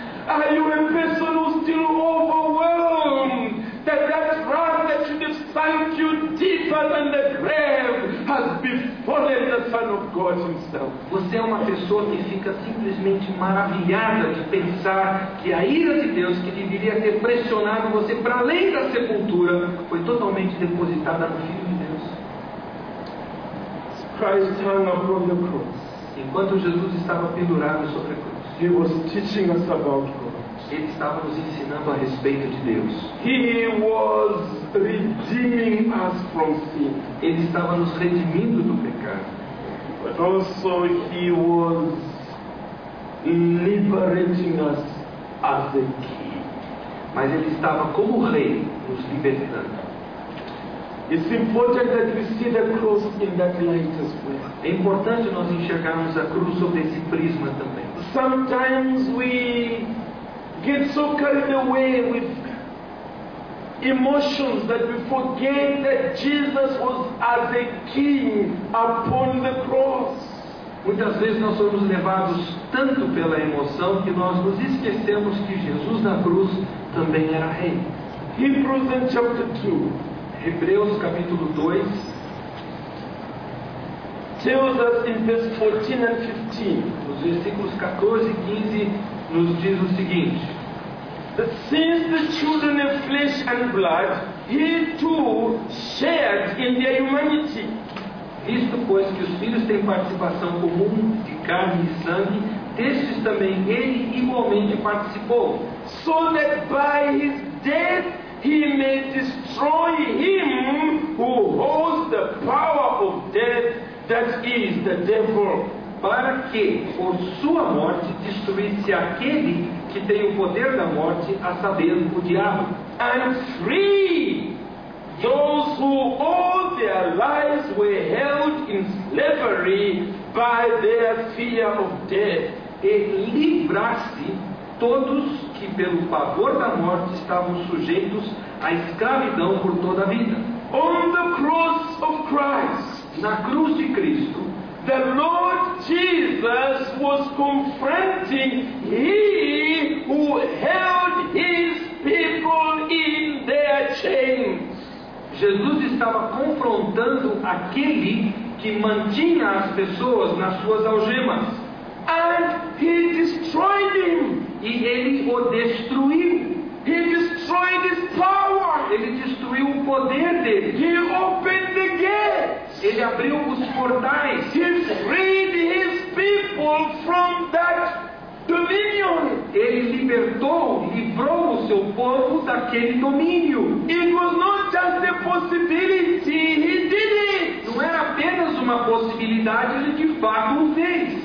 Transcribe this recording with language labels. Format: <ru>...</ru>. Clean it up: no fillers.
<en>Are you a person who's still overwhelmed that that wrath that should have sunk you deeper than the grave has befallen the Son of God himself?</en> <pt>Você é uma pessoa que fica simplesmente maravilhada de pensar que a ira de Deus que deveria ter pressionado você para além da sepultura foi totalmente depositada no Filho de Deus.</pt> <en>Christ hung upon the cross.</en> <pt>Enquanto Jesus estava pendurado sobre a cruz,</pt> <en>He was teaching us about God.</en> <pt>Ele estava nos ensinando a respeito de Deus.</pt> <en>He was redeeming us from sin.</en> <pt>Ele estava nos redimindo do pecado.</pt> <en>But also he was liberating us as the king.</en> <pt>Mas ele estava como rei nos libertando.</pt> <en>It's important that we see the cross in that light as well.</en> <pt>É importante nós enxergarmos a cruz sob esse prisma também.</pt> <en>Sometimes we get so carried away with emotions that we forget that Jesus was as a king upon the cross.</en> <pt>Muitas vezes nós somos levados tanto pela emoção que nós nos esquecemos que Jesus na cruz também era rei.</pt> <en>Hebrews in chapter 2.</en> <pt>Hebreus capítulo 2</pt> <en>tells us in verse 14 and 15.</en> <pt>Os versículos 14 e 15 nos diz o seguinte:</pt> <en>that since the children of flesh and blood, he too shared in their humanity.</en> <pt>Visto pois que os filhos têm participação comum de carne e sangue, destes também ele igualmente participou.</pt> <en>So that by his death he may destroy him who holds the power of death, that is, the devil.</en> <pt>Para que, por sua morte, destruísse aquele que tem o poder da morte, a saber, o diabo.</pt> <en>And free those who all their lives were held in slavery by their fear of death.</en> <pt>E livrar-se todos que pelo pavor da morte estavam sujeitos à escravidão por toda a vida.</pt> <en>On the cross of Christ,</en> <pt>na cruz de Cristo,</pt> <en>the Lord Jesus was confronting he who held his people in their chains.</en> <pt>Jesus estava confrontando aquele que mantinha as pessoas nas suas algemas.</pt> <en>And he destroyed him.</en> <pt>E ele o destruiu.</pt> <en>He destroyed his power.</en> <pt>Ele destruiu o poder dele.</pt> <en>He opened the gates.</en> <pt>Ele abriu os portais.</pt> <en>He freed his people from that dominion.</en> <pt>Ele libertou, livrou o seu povo daquele domínio.</pt> <en>It was not just a possibility, he did it.</en> <pt>Não era apenas uma possibilidade, ele de fato o fez.</pt>